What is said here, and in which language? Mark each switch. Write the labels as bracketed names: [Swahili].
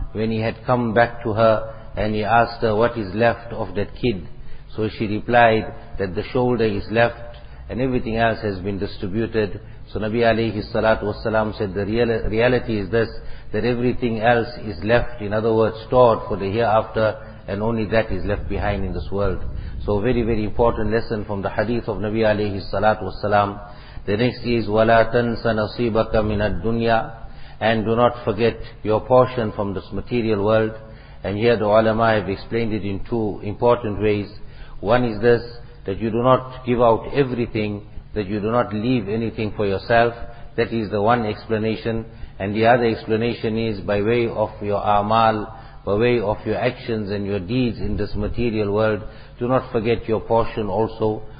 [English] When he had come back to her and he asked her what is left of that kid, so she replied that the shoulder is left and everything else has been distributed. So Nabi alayhi salatu wasalam said, the reality is this, that everything else is left, in other words stored for the hereafter, and only that is left behind in this world. So very important lesson from the hadith of Nabi alayhi salatu wasalam. The next is, [Arabic] وَلَا تَنْسَ نَصِيبَكَ مِنَ الدُّنْيَا. [English] And do not forget your portion from this material world. And here the ulama have explained it in two important ways. One is this, that you do not give out everything, that you do not leave anything for yourself. That is the one explanation. And the other explanation is, by way of your amal, by way of your actions and your deeds in this material world, do not forget your portion also.